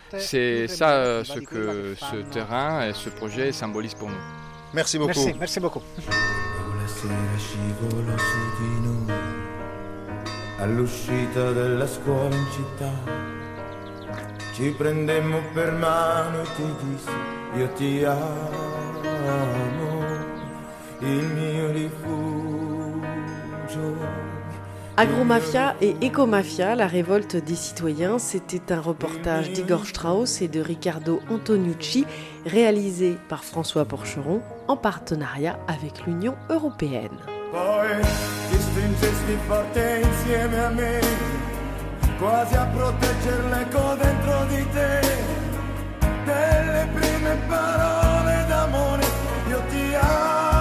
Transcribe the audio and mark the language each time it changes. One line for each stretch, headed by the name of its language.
French: C'est ça ce que ce terrain et ce projet symbolisent pour nous. Merci beaucoup. Merci beaucoup.
Italian: La sera scivolò su di noi all'uscita della scuola in città. Ci prendemmo per mano e ti dissi io ti amo, il mio rifugio.
French: Agromafia et Ecomafia, la révolte des citoyens, c'était un reportage d'Igor Strauss et de Riccardo Antoniucci, réalisé par François Porcheron en partenariat avec l'Union européenne.
Italian: Poi ti stringesti forte insieme a me, quasi a proteggere l'eco dentro di te, delle prime parole d'amore, io ti amo.